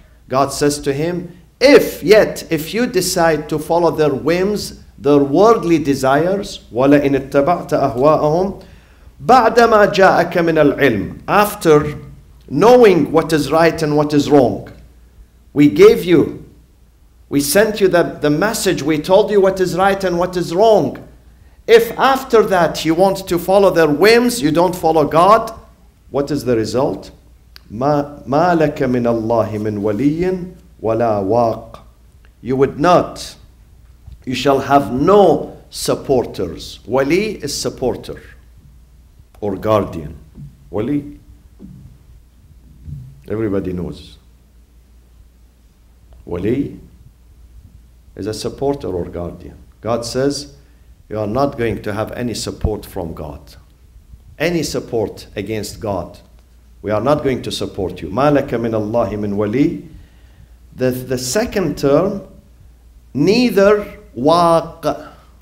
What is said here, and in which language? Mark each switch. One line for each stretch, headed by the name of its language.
English: God says to him, if you decide to follow their whims, their worldly desires,
Arabic: وَلَئِنْ اتَّبَعْتَ أَهْوَاءَهُمْ بَعْدَمَا جَاءَكَ مِنَ الْعِلْمِ
English: After knowing what is right and what is wrong, we sent you the message, we told you what is right and what is wrong. If after that you want to follow their whims, you don't follow God, what is the result?
Arabic: مَا لَكَ مِنَ اللَّهِ مِنْ وَلِيٍّ وَلَا وَاقٍ
English: You would not. You shall have no supporters. Wali is supporter or guardian. Wali. Everybody knows. Wali is a supporter or guardian. God says, you are not going to have any support from God. Any support against God. We are not going to support you.
Arabic: مَا لَكَ مِنَ اللَّهِ مِنْ وَلِي
English: The second term, neither waq.